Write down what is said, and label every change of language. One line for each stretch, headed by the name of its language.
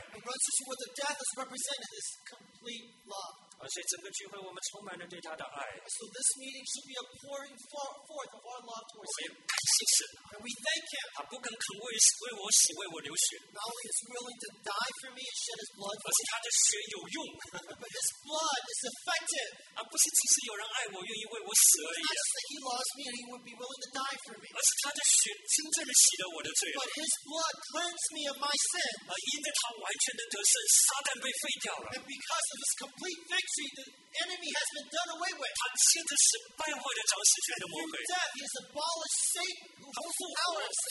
English: And brothers, what the death has represented is complete love.
Chinese: 所以整个聚会我们充满了对他的爱。
English: So this meeting should be a pouring forth of our love towards him.
Chinese: 我们感谢神。
English: And we thank him.
Chinese: 他不肯为我死，为我流血。
English: Not only is willing to die for me and shed his blood.
Chinese: 而是他的血有用。
English: But his blood is effective.
Chinese: 不是只是有人爱我，愿意为我死而已。
English: It's not just that he loves me and he would be willing to die for me.
Chinese: 而是他的血真正的洗了我的罪。
English: But his blood cleansed me of my sin.
Chinese: 因着他完全的得胜，撒旦被废掉了。
English: And because of his complete victory. See, the enemy has been done away with.
Chinese: 他现在是败坏的掌死权的魔鬼。
English: Death, he has abolished Satan, who holds the power of sin.